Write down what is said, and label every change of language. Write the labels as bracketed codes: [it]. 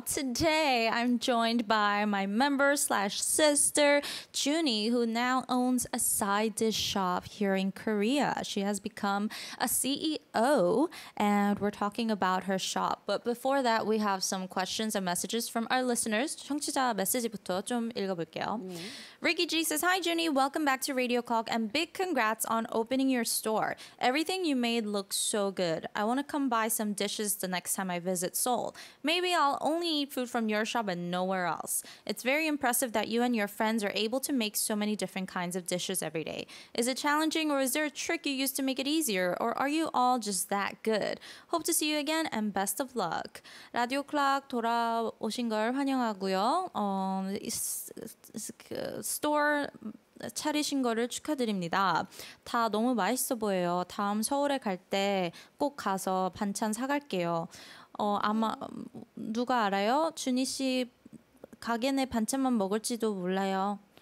[en] Today, I'm joined by my member slash sister, Junie, who now owns a side dish shop here in Korea. She has become a CEO, and we're talking about her shop. But before that, we have some questions and messages from our listeners. [ko] 청취자 메시지부터 좀 읽어볼게요. [en] Ricky G says, Hi, Junie. Welcome back to Radio Clock, and big congrats on opening your store. Everything you made looks so good. I want to come buy some dishes the next time I visit Seoul. Maybe I'll only eat food from your shop and nowhere else. It's very impressive that you and your friends are able to make so many different kinds of dishes every day. Is it challenging or is there a trick you use to make it easier? Or are you all just that good? Hope to see you again and best of luck. [ko] 라디오 클락 돌아오신 걸 환영하고요. Store 차리신 거를 축하드립니다. 다 너무 맛있어 보여요. 다음 서울에 갈 때 꼭 가서 반찬 사갈게요. 아마 누가 알아요? 준희 씨 가게 내 반찬만 먹을지도 몰라요.